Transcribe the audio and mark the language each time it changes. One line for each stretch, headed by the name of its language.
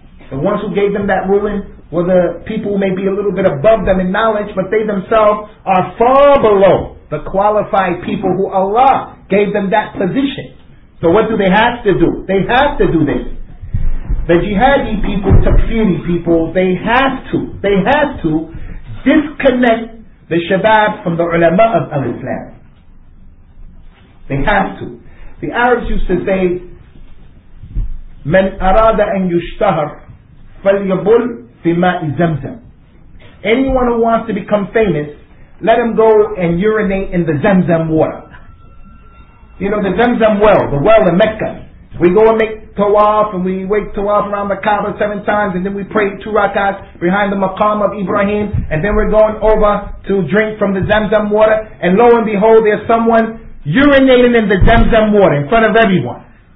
English: The ones who gave them that ruling were the people who may be a little bit above them in knowledge, but they themselves are far below the qualified people who Allah gave them that position. So what do they have to do? They have to do this. The jihadi people, takfiri people, they have to disconnect the shabab from the ulama of al-Islam. They have to.
Arabic: The Arabs used to say, من أراد أن يشتهر فليبل في ماء زمزم.
English: Anyone who wants to become famous, let him go and urinate in the Zamzam water. You know, the Zamzam well, the well in Mecca. We go and make tawaf, and we wake tawaf around the Kaaba 7 times, and then we pray 2 rakats behind the maqam of Ibrahim, and then we're going over to drink from the Zamzam water, and lo and behold, there's someone urinating in the Zamzam water in front of everyone.